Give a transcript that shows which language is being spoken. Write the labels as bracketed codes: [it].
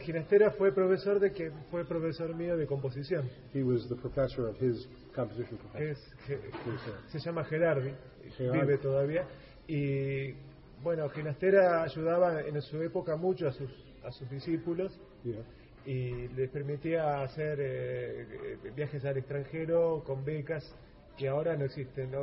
[es] Ginastera fue profesor de quien fue profesor mío de composición. [en] He was the professor of his composition profession. [es] Se llama Gerardi, vive todavía, y bueno, Ginastera ayudaba en su época mucho a sus discípulos. [en] Yeah. [es] Y les permitía hacer viajes al extranjero con becas que ahora no existen.